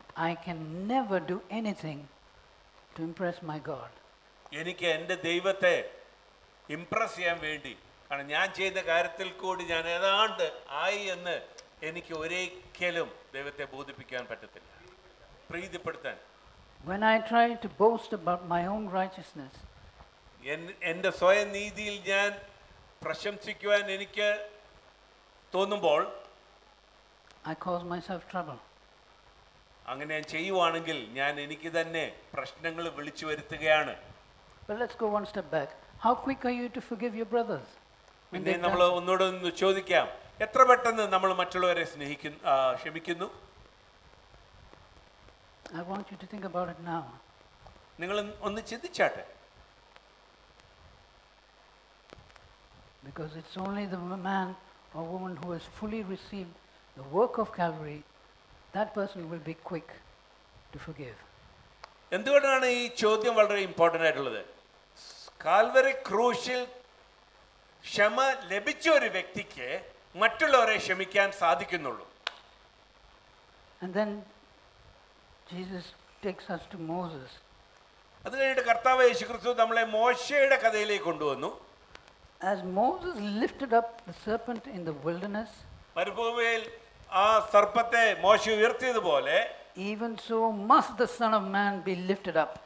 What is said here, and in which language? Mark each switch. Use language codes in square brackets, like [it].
[en] I can never do anything to impress my God. [ml] എനിക്ക് എൻ്റെ ദൈവത്തെ ഇംപ്രസ് ചെയ്യാൻ വേണ്ടി കാരണം ഞാൻ ചെയ്യുന്ന കാര്യത്തിൽ കൂടി ഞാൻ ഏതാണ്ട് ആയി എന്ന് എനിക്ക് ഒരിക്കലും ദൈവത്തെ ബോധിപ്പിക്കാൻ പറ്റത്തില്ല, പ്രീതിപ്പെടുത്താൻ. [en] When I try to boast about my own righteousness, [ml] എൻ്റെ സ്വയം നീതിയിൽ ഞാൻ പ്രശംസിക്കുവാൻ എനിക്ക് തോന്നുമ്പോൾ, [en] I cause myself trouble. [ml] അങ്ങനെ ഞാൻ ചെയ്യുവാണെങ്കിൽ ഞാൻ എനിക്ക് തന്നെ പ്രശ്നങ്ങൾ വിളിച്ചു വരുത്തുകയാണ്. [en] But let's go one step back. How quick are you to forgive your brothers? [ml] പിന്നെ നമ്മൾ ഒന്നോട് ഒന്ന് ചോദിക്കാം, എത്ര പെട്ടെന്ന് നമ്മൾ മറ്റുള്ളവരെ സ്നേഹിക്കുന്നു, ക്ഷമിക്കുന്നു? [en] I want you to think about it now. [ml] നിങ്ങൾ ഒന്ന് ചിന്തിച്ചാട്ടെ. [en] Because it's only the man or woman who has fully received the work of Calvary, that person will be quick to forgive. [ml] എന്തുകൊണ്ടാണ് ഈ ചോദ്യം വളരെ ഇമ്പോർട്ടൻ്റ് ആയിട്ടുള്ളത്? Calvary ക്രൂശിൽ ക്ഷമ ലഭിച്ച ഒരു വ്യക്തിക്ക് മറ്റുള്ളവരെ ക്ഷമിക്കാൻ സാധിക്കുന്നുള്ളൂ. [en] And then Jesus takes us to Moses. [ml] അത് കഴിഞ്ഞിട്ട് കർത്താവ് യേശുക്രിസ്തു നമ്മളെ മോശയുടെ കഥയിലേക്ക് കൊണ്ടുവന്നു. [en] As Moses lifted up the serpent in the wilderness, [ml] മരുഭൂമിയിൽ ആ സർപ്പത്തെ മോശ ഉയർത്തിയതുപോലെ, [en] even so must the son of man be lifted up.